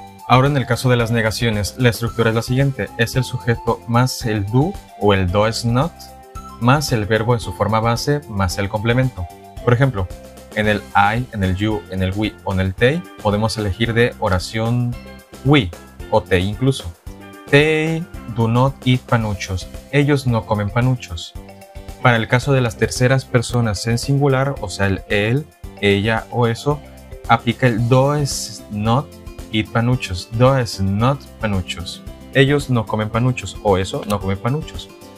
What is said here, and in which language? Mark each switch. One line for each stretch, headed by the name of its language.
Spanish: Ahora en el caso de las negaciones, la estructura es la siguiente. Es el sujeto más el do o el does not, más el verbo en su forma base, más el complemento. Por ejemplo, en el I, en el you, en el we o en el they, podemos elegir de oración we o they incluso.
English: They do not eat panuchos.
Spanish: Ellos no comen panuchos. Para el caso de las terceras personas en singular, o sea, el él, ella o eso, aplica el
English: does not eat
Spanish: panuchos.
English: Does not
Spanish: panuchos. Ellos no comen panuchos o eso no comen panuchos.